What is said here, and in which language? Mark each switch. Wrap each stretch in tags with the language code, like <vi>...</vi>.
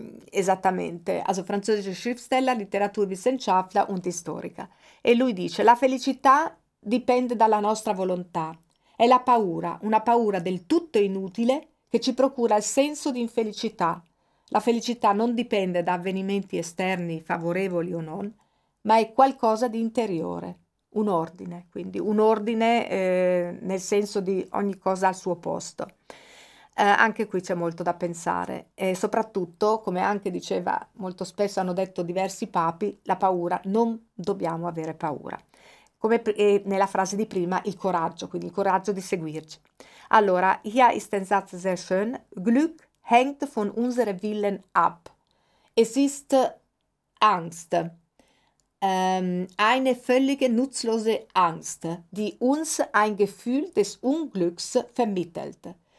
<de>Esattamente, also französische Schriftsteller, Literaturwissenschaftler und Historiker.</de> <it>E lui dice: La felicità dipende dalla nostra volontà. È la paura, una paura del tutto inutile che ci procura il senso di infelicità. La felicità non dipende da avvenimenti esterni, favorevoli o non, ma è qualcosa di interiore, un ordine, quindi un ordine nel senso di ogni cosa al suo posto. Anche qui c'è molto da pensare e soprattutto, come anche diceva molto spesso hanno detto diversi papi, la paura, non dobbiamo avere paura. Come nella frase di prima, il coraggio, quindi il coraggio di seguirci.</it> <de>Allora, hier ist ein Satz sehr schön. Glück hängt von unserem Willen ab. Es ist Angst, eine völlige nutzlose Angst, die uns ein Gefühl des Unglücks vermittelt.</de>